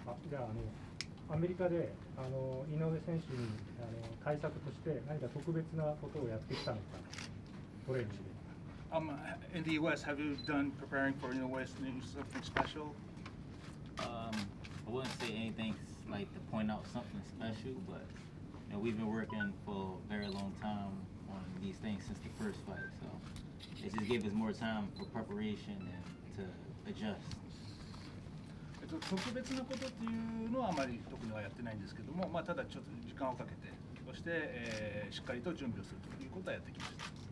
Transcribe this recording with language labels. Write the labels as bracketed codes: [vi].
[ja] じゃあアメリカで井上選手に対策として何か特別なことをやってきたのか、トレーニングで。 [en] In the US, have you done preparing for Inoue West and something special? I wouldn't say anything like to point out something special, but we've been working for a very long time on these things since the first fight, so it just gave us more time for preparation and to adjust. [ja] 特別なことっていうのはあまり特にはやってないんですけども、まあ、ただちょっと時間をかけて、そして、しっかりと準備をするということはやってきました。